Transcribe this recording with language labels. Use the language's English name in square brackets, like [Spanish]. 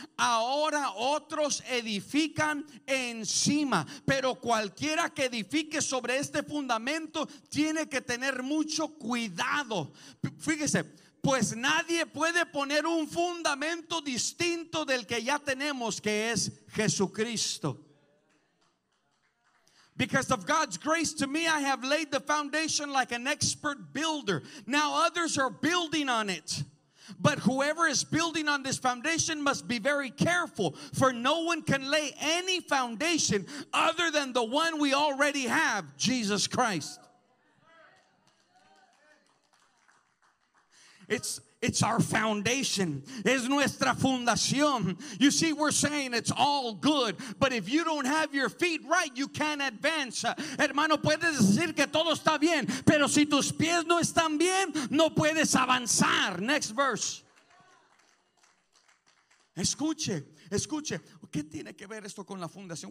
[Spanish] Ahora otros edifican encima, pero cualquiera que edifique sobre este fundamento tiene que tener mucho cuidado. Fíjese. Pues nadie puede poner un fundamento distinto del que ya tenemos, que es Jesucristo. [English] Because of God's grace to me, I have laid the foundation like an expert builder. Now others are building on it. But whoever is building on this foundation must be very careful, for no one can lay any foundation other than the one we already have, Jesus Christ. It's our foundation. [Spanish] Es nuestra fundación. [English] You see, we're saying it's all good. But if you don't have your feet right, you can't advance. [Spanish] Hermano, puedes decir que todo está bien. Pero si tus pies no están bien, no puedes avanzar. [English] Next verse. [Spanish] Escuche. ¿Qué tiene que ver esto con la fundación?